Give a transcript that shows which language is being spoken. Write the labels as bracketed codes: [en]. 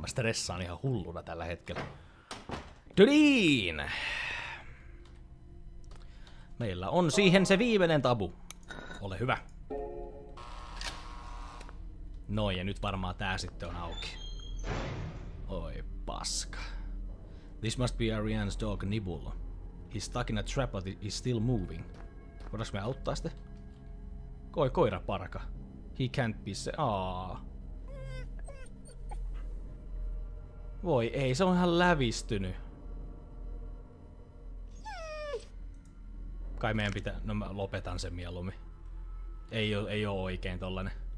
[fi] Mä stressaan ihan hulluna tällä hetkellä. Dudiin! Meillä on siihen se viimeinen tabu. Ole hyvä. Noin, ja nyt varmaan tää sitten on auki. Oi paska. [en] This must be Ariane's dog Nibble. He's stuck in a trap but he's still moving. [fi] Voidaanko me auttaa sitten? Koi koira parka. He can't be se. Voi ei, se on ihan lävistynyt. Kai meidän pitää. No mä lopetan sen mieluummin. Ei oo oikein tollanen.